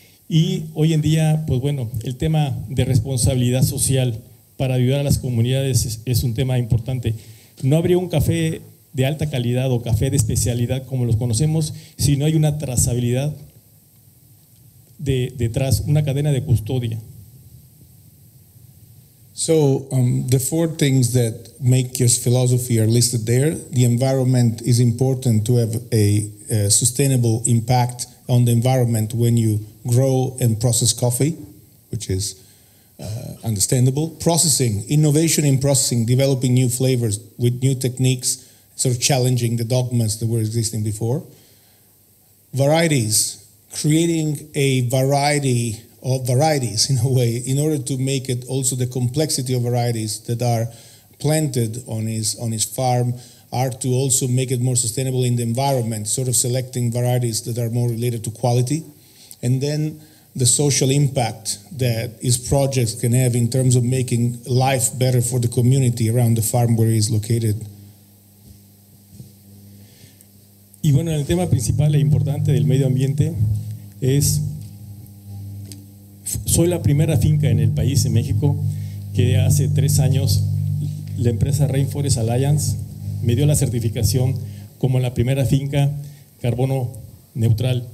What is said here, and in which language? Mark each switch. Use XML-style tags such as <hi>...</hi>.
<es>Y hoy en día, pues bueno, el tema de responsabilidad social para ayudar a las comunidades es un tema importante. No habría un café de alta calidad o café de especialidad como los conocemos si no hay una trazabilidad detrás, una cadena de custodia.</es> <en>So, the four things that make your philosophy are listed there. The environment is important to have a sustainable impact on the environment when you grow and process coffee, which is understandable. Processing, innovation in processing, developing new flavors with new techniques, sort of challenging the dogmas that were existing before. Varieties, creating a variety of varieties in a way, in order to make it also the complexity of varieties that are planted on his farm are to also make it more sustainable in the environment, sort of selecting varieties that are more related to quality. And then the social impact that his projects can have in terms of making life better for the community around the farm where he is located.</en> <es>Y bueno, el tema principal e importante del medio ambiente es, soy la primera finca en el país, en México, que hace 3 años la empresa Rainforest Alliance me dio la certificación como la primera finca carbono neutral.</es>